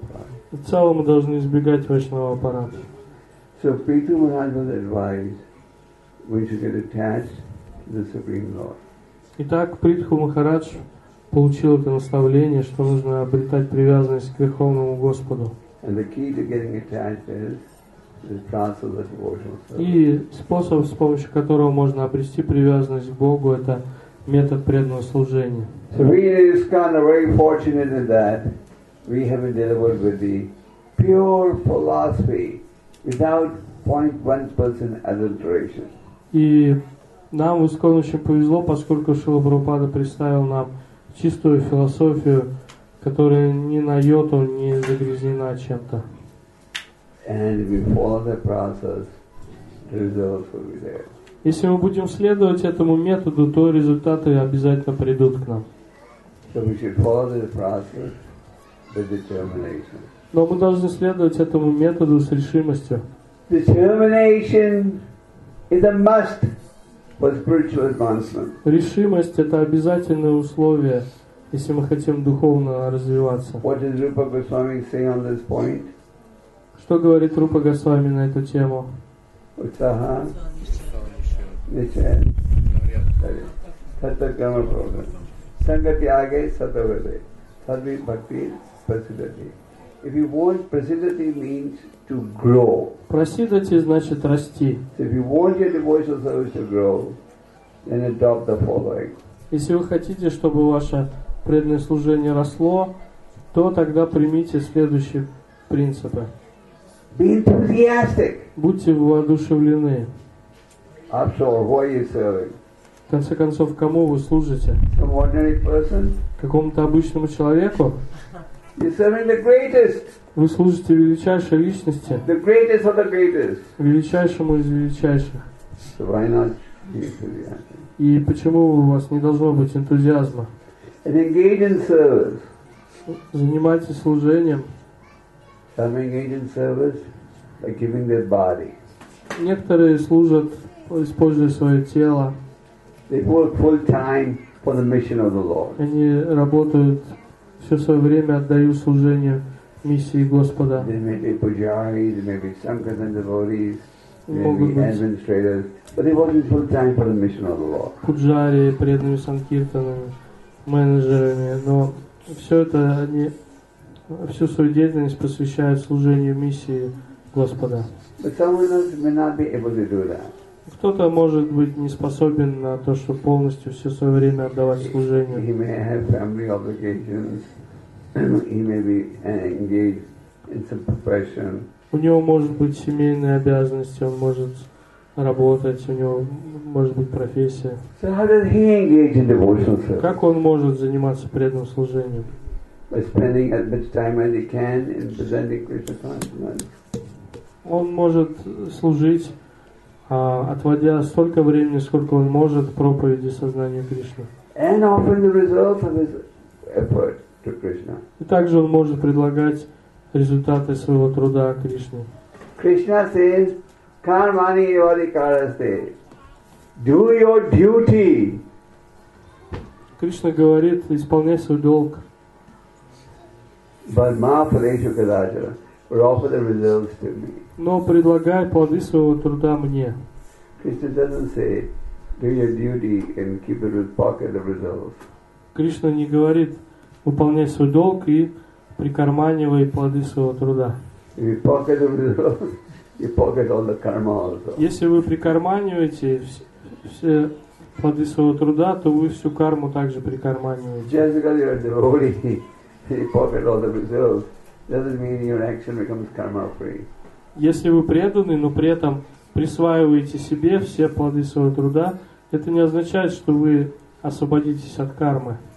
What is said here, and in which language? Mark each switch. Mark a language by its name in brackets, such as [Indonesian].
[Russian] Parada. В целом мы должны избегать Вайшнава Апарадхи. [English] So Prithu Maharaj was advised we should get attached to the Supreme Lord. [Russian] Итак, Притху Махарадж получил это наставление, что нужно обретать привязанность к Верховному Господу. [English] And the key to getting attached is the process of devotional service. [Russian] И способ, с помощью которого можно обрести привязанность к Богу, это метод преданного служения. [English] So we in ISKCON are very fortunate in that we have been delivered with the pure philosophy without 0.1% adulteration. [Russian] И нам в ISKCON очень повезло, поскольку Шрила Прабхупада представил нам чистую философию, которая ни на йоту не загрязнена чем-то. [English] And if we follow the process, the results will be there. [Russian] Если мы будем следовать этому методу, то результаты обязательно придут к нам. [English] So we should follow the process with determination. [Russian] Но мы должны следовать этому методу с решимостью. [English] Determination is a must for spiritual advancement. [Russian] Решимость – это обязательное условие, если мы хотим духовно развиваться. [English] What does Rupa Goswami say on this point? [Russian] Что говорит Рупа Госвами на эту тему? [English] Утсаха. If you want, prasiddhati means to grow. [Russian] Prasiddhati значит расти. [English] So if you want your devotional service to grow, then adopt the following. [Russian] Если вы хотите, чтобы ваше преданное служение росло, то тогда примите следующие принципы. [English] Be enthusiastic. [Russian] Будьте воодушевлены. [English] After all, who are you serving? [Russian] В конце концов, кому вы служите? [English] Some ordinary person? [Russian] Какому-то обычному человеку? [English] You're serving the greatest. [Russian] Вы служите величайшей личности. [English] The greatest of the greatest. [Russian] Величайшему из величайших. [English] So why not be enthusiastic? [Russian] И почему у вас не должно быть энтузиазма? [English] And engage in service. [Russian] Занимайте служением. [English] Some engage in service by giving their body. [Russian] Некоторые служат, используя свое тело. [English] They work full time for the mission of the Lord. [Russian] Они работают все свое время, отдаю служение миссии Господа. [English] They may be pujaris, they may be sankirtan devotees, they may be administrators, but they work full time for the mission of the Lord. [Russian] Пуджари, преданные санкиртанами, менеджерами, но все это они всю свою деятельность посвящают служению миссии Господа. [English] But some of us may not be able to do that. [Russian] Кто-то может быть не способен на то, чтобы полностью все свое время отдавать служению. [English] He may have family obligations. He may be engaged in some profession. [Russian] У него может быть семейные обязанности, он может работать, у него может быть профессия. [English] So how does he engage in devotional service? [Russian] Как он может заниматься преданным служением? [English] By spending as much time as he can in presenting Krishna consciousness. [Russian] Он может служить, отводя столько времени, сколько он может, проповеди сознания Кришны. [English] And offering the results of his effort to Krishna. [Russian] И также он может предлагать результаты своего труда Кришне. [English] Krishna says, [Sanskrit] "Karmani yavadikaraste, [English] do your duty." [Russian] Кришна говорит, исполняй свой долг. [English] But [Sanskrit] ma phaleshu kadachara, [English] or offer the results to me. [Russian] Но предлагай плоды своего труда мне. [English] Krishna doesn't say, do your duty and keep it in pocket of results. [Russian] Кришна не говорит, выполняй свой долг и прикарманивай плоды своего труда. [English] If you pocket the results, you pocket all the karma also. [Russian] Если вы прикарманиваете все плоды своего труда, то вы всю карму также прикарманиваете. [English] Just because you're a devotee, you pocket all the results, doesn't mean your action becomes karma-free. [Russian] Если вы преданы, но при этом присваиваете себе все плоды своего труда, это не означает, что вы освободитесь от кармы.